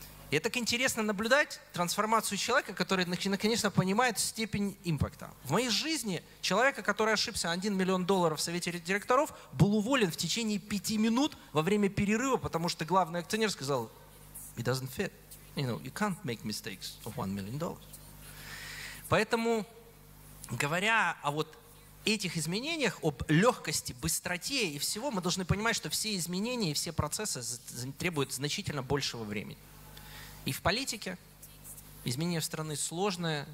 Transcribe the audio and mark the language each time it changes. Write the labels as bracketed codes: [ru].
[ru] И так интересно наблюдать трансформацию человека, который, конечно, понимает степень импакта. В моей жизни человека, который ошибся на 1 миллион долларов в совете директоров, был уволен в течение 5 минут во время перерыва, потому что главный акционер сказал, [en] it doesn't fit. You can't make mistakes of $1 million. [ru] Поэтому, говоря о вот этих изменениях, об легкости, быстроте и всего, мы должны понимать, что все изменения и все процессы требуют значительно большего времени. И в политике изменения в страны сложные.